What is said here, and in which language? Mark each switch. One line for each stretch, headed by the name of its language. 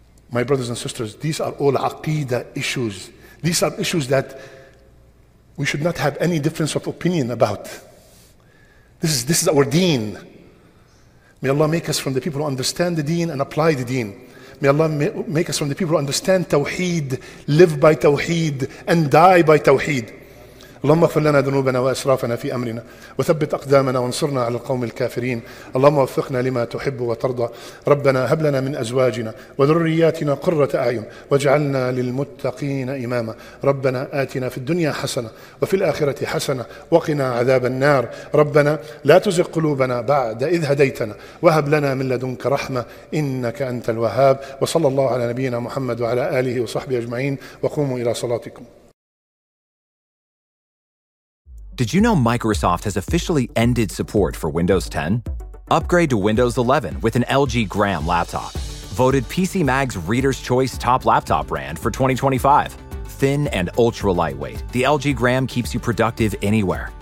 English: My brothers and sisters, these are all aqidah issues. These are issues that we should not have any difference of opinion about. This is our deen. May Allah make us from the people who understand the deen and apply the deen. May Allah make us from the people who understand tawheed, live by tawheed, and die by tawheed.
Arabic: اللهم اغفر لنا ذنوبنا وأسرافنا في أمرنا وثبت أقدامنا وانصرنا على القوم الكافرين. اللهم وفقنا لما تحب وترضى. ربنا هب لنا من أزواجنا وذرياتنا قرة أعين واجعلنا للمتقين إماما. ربنا آتنا في الدنيا حسنة وفي الآخرة حسنة وقنا عذاب النار. ربنا لا تزغ قلوبنا بعد إذ هديتنا وهب لنا من لدنك رحمة إنك أنت الوهاب. وصلى الله على نبينا محمد وعلى آله وصحبه أجمعين. وقوموا إلى صلاتكم.
English: Did you know Microsoft has officially ended support for Windows 10? Upgrade to Windows 11 with an LG Graham laptop. Voted PC Mag's Reader's Choice Top Laptop Brand for 2025. Thin and ultra lightweight, the LG Graham keeps you productive anywhere.